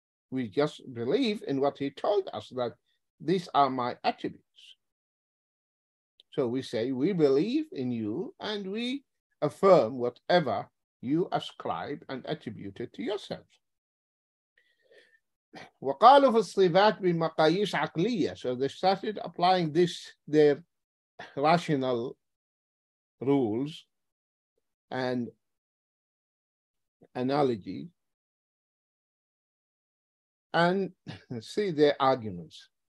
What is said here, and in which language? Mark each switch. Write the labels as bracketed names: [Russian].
[English] We just believe in what he told us, that these are my attributes. So we say we believe in you and we affirm whatever you ascribe and attribute it to yourself. [Arabic] وقالوا في الصفات بمقاييس عقلية. [English] So they started applying this, their rational rules and analogy, and see their arguments.